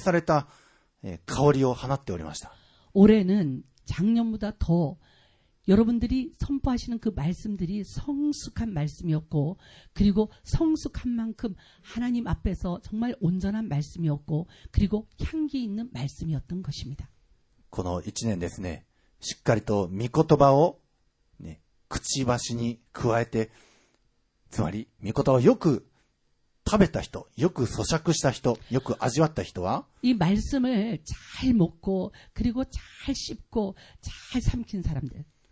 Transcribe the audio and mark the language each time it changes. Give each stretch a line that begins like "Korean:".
Japanese: 今年は本当に一人一人がじっくりと信仰を混ぜ込んだ御言葉が宣言されて、そして本当にその御言葉ね、よく熟成された香りを放っておりました。
Korean: 올해는 작년보다 더 여러분들이 선포하시는 그 말씀들이 성숙한 말씀이었고 그리고 성숙한 만큼 하나님 앞에서 정말 온전한 말씀이었고 그리고 향기 있는 말씀이었던 것입니다.
Japanese: この1年ですね、しっかりと御言葉をね、くちばしに加えて、つまり御言葉をよく食べた人、よく咀嚼した人、よく味わった人は
Korean: 이 말씀을 잘 먹고 그리고 잘 씹고 잘 삼킨 사람들